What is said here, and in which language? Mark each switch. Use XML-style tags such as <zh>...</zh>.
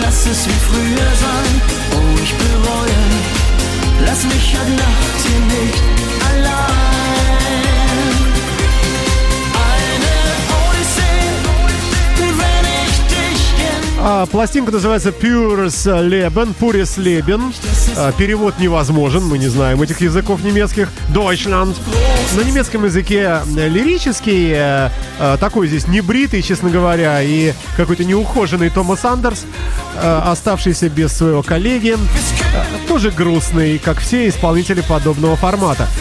<de>Es wie früher sein, oh ich bereue. Lass mich an Nacht hier nicht allein. Eine Odyssee, wenn ich dich kenn.</de> <ru>Пластинка называется «Pures Leben», «Pures Leben». Перевод невозможен, мы не знаем этих языков немецких.</ru> <de>«Deutschland».</de> <ru>На немецком языке лирический, такой здесь небритый, честно говоря, и какой-то неухоженный Томас Андерс, оставшийся без своего коллеги. Тоже грустный, как все исполнители подобного формата.</ru>